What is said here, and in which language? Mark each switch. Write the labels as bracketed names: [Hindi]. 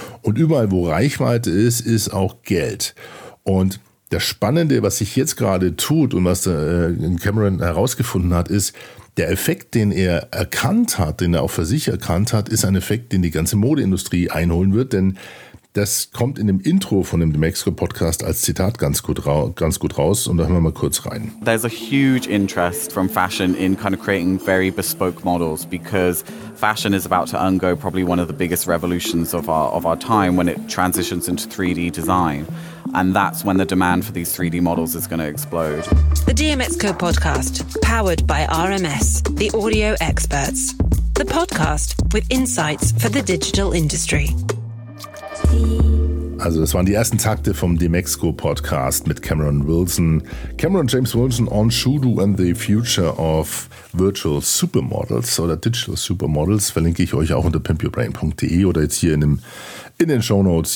[German] Und überall, wo Reichweite ist, ist auch Geld. Und das Spannende, was sich jetzt gerade tut und was Cameron herausgefunden hat, ist, der Effekt, den er erkannt hat, den er auch für sich erkannt hat, ist ein Effekt, den die ganze Modeindustrie einholen wird. Denn das kommt in dem Intro von dem Demexco-Podcast als Zitat ganz gut raus. Und da hören wir mal kurz rein. [English] There's a huge interest from fashion in kind of creating very bespoke models, because fashion is about to undergo probably one of the biggest revolutions of our time when it transitions into 3D design. And that's when the demand for these 3D models is going to explode. The Demexco Podcast, powered by RMS, the audio experts. The podcast with insights for the digital industry. [German] Also das waren die ersten Takte vom Demexco Podcast mit Cameron Wilson. Cameron James Wilson [English] on Shudu and the Future of Virtual Supermodels [German] oder Digital Supermodels verlinke ich euch auch unter pimpyourbrain.de oder jetzt hier in den Shownotes.